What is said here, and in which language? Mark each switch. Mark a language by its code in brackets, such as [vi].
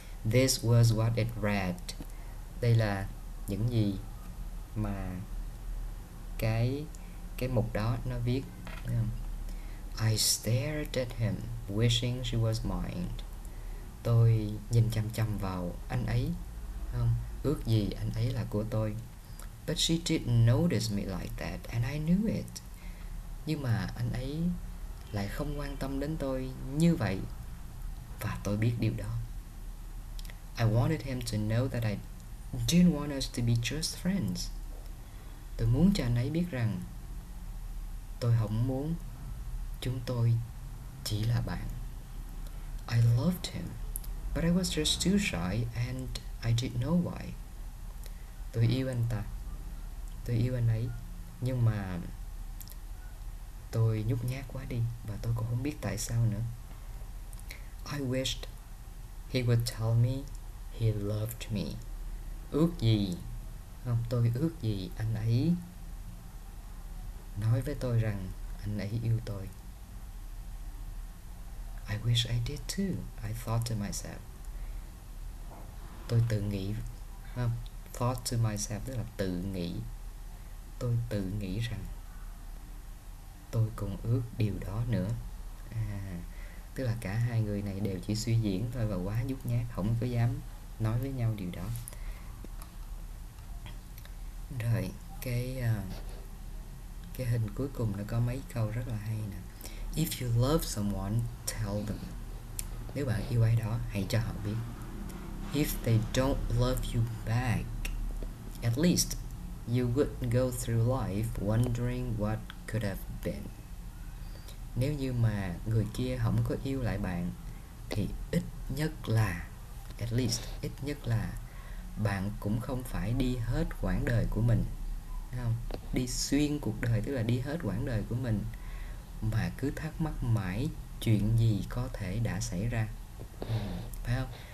[en] This was what it read. [vi] Đây là những gì mà cái mục đó nó viết. [en] I stared at him, wishing she was mine. [vi] Tôi nhìn chằm chằm vào anh ấy, không? Ước gì anh ấy là của tôi. [en] But she didn't notice me like that, and I knew it. [vi] Nhưng mà anh ấy lại không quan tâm đến tôi như vậy, và tôi biết điều đó. [en] I wanted him to know that I didn't want us to be just friends. [vi] Tôi muốn cho anh ấy biết rằng tôi không muốn chúng tôi chỉ là bạn. [en] I loved him, but I was just too shy and I didn't know why. [vi] Tôi yêu anh ta, tôi yêu anh ấy, nhưng mà tôi nhút nhát quá đi và tôi cũng không biết tại sao nữa. [en] I wished he would tell me he loved me. [vi] Ước gì, không, tôi ước gì anh ấy nói với tôi rằng anh ấy yêu tôi. [en] I wish I did too, I thought to myself. [vi] Tôi tự nghĩ, không, thought to myself tức là tự nghĩ. Tôi tự nghĩ rằng tôi cũng ước điều đó nữa. Tức là cả hai người này đều chỉ suy diễn thôi và quá nhút nhát, không có dám nói với nhau điều đó. Rồi, cái hình cuối cùng nó có mấy câu rất là hay nè. [en] If you love someone, tell them. [vi] Nếu bạn yêu ai đó, hãy cho họ biết. [en] If they don't love you back, at least you wouldn't go through life wondering what could have been. [vi] Nếu như mà người kia không có yêu lại bạn, thì ít nhất là, at least, ít nhất là bạn cũng không phải đi hết quãng đời của mình, không? Đi xuyên cuộc đời, tức là đi hết quãng đời của mình mà cứ thắc mắc mãi chuyện gì có thể đã xảy ra, phải không?